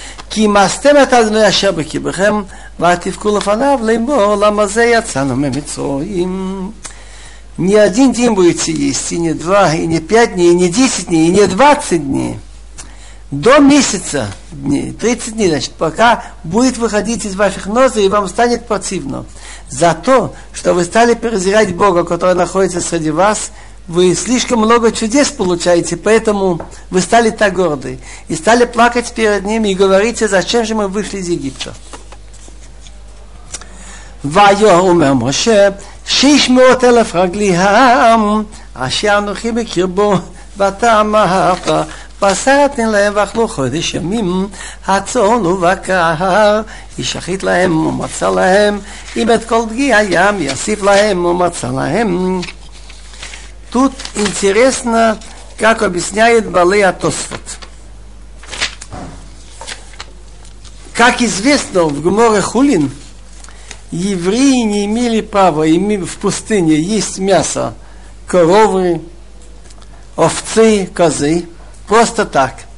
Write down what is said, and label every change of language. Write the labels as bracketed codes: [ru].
[he] כי מסתם את אדוני אשר בקיבכם, ותפקו לפניו, לאמור, למה זה יצאנו ממצרים. [ru] Ни один день будет съесть, и не два, и не пять дней, и не 10 дней, и не 20 дней. До месяца дней, 30 дней, значит, пока будет выходить из ваших ноздрей, и вам станет противно. За то, что вы стали презирать Бога, который находится среди вас, вы слишком много чудес получаете, поэтому вы стали так горды. И стали плакать перед ними и говорить, зачем же мы вышли из Египта. [he] ויאמר אומר משה, 600,000 רגלי העם, אשר אנוכי בקרבו, ואתה אמרת, בשר אתן להם ואכלו חודש ימים, הצאן ובקר, ישחית להם ומצא להם, אם את כל דגי הים יוסיף להם ומצא להם. [ru] Тут интересно, как объясняет Балей ха-Тосфот. Как известно в Геморе Хулин, евреи не имели права в пустыне есть мясо коровы, овцы, козы, просто так.